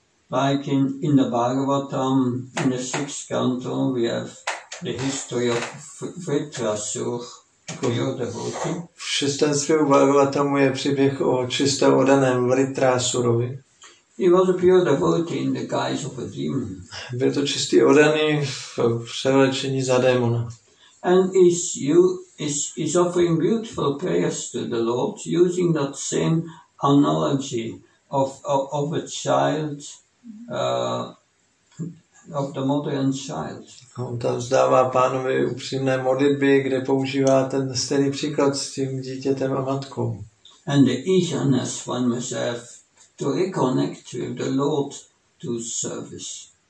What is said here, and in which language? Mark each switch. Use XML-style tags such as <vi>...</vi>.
<en>Like in the Bhagavatam, in the sixth canto, we have the history of Vritrasura, pure devotee.</en> <cs>V šestém zpěvu Bhagavatamu je příběh o čisté odaném Vritrasurovi.</cs> <en>He was a pure devotee in the guise of a demon.</en> <cs>Byl to čistý odaný v převlečení za démona.</cs> <en>And is offering beautiful prayers to the Lord using that same analogy of a child. Of the mother and child.</en> <cs>On tam vzdává pánovi upřímné modlitby, kde používá ten stejný příklad s tím dítětem a matkou.</cs> <en>And the eagerness one must have to reconnect with the Lord to service.</en>